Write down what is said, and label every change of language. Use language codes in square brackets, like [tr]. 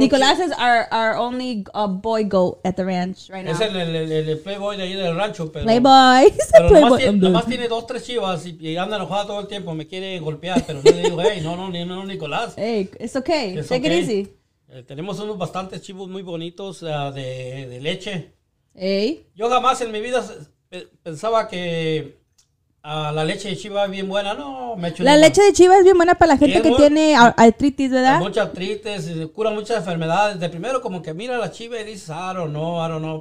[en] Nicolás es our only boy goat at the ranch right now. [es] Es el playboy de ahí del rancho, pero... Playboy. Pero playboy. Nomás tiene dos, tres chivas y anda enojada todo el tiempo, me quiere golpear, pero yo le digo, hey, no, Nicolás. [en] Hey, it's okay, it's take okay. It easy. [es] Tenemos unos bastantes chivos muy bonitos de leche. ¿Eh? Yo jamás en mi vida pensaba que la leche de chiva es bien buena. No, me he hecho la leche de chiva es bien buena para la gente que tiene artritis, ¿verdad? Mucha artritis, cura muchas enfermedades. De primero como que mira la chiva y dices, [en] I don't know.